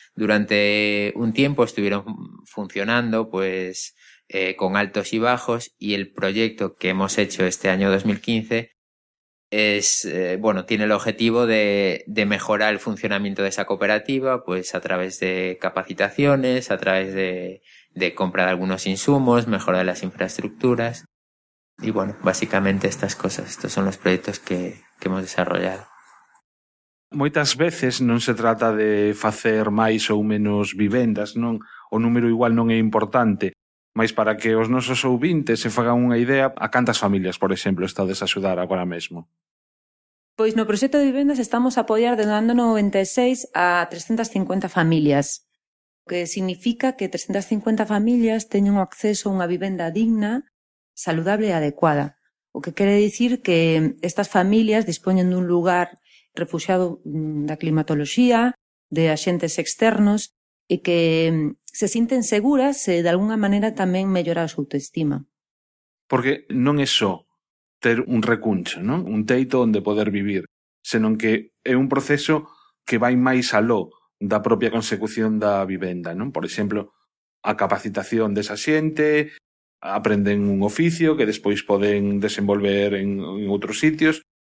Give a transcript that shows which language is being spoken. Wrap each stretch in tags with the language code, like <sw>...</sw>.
<es>Durante un tiempo estuvieron funcionando, pues, con altos y bajos, y el proyecto que hemos hecho este año 2015 tiene el objetivo de mejorar el funcionamiento de esa cooperativa, pues a través de capacitaciones, a través de compra de algunos insumos, mejora de las infraestructuras. Y bueno, básicamente estas cosas, estos son los proyectos que hemos desarrollado.</es> <gl>Moitas veces non se trata de facer máis ou menos vivendas, non? O número igual non é importante. Mas para que os nosos ouvintes se fagan unha idea, a cantas familias, por exemplo, estades a axudar agora mesmo? Pois no proxecto de vivendas estamos a apoiar de 96 a 350 familias, o que significa que 350 familias teñen acceso a unha vivenda digna, saludable e adecuada. O que quere dicir que estas familias dispoñen dun lugar refugiado da climatoloxía, de axentes externos, e que se sinten seguras e, de alguna maneira, tamén mellora a súa autoestima. Porque non é só ter un recuncho, non? Un teito onde poder vivir, senón que é un proceso que vai máis aló da propia consecución da vivenda, non? Por exemplo, a capacitación desa xente, aprenden un oficio que despois poden desenvolver en outros sitios.</gl>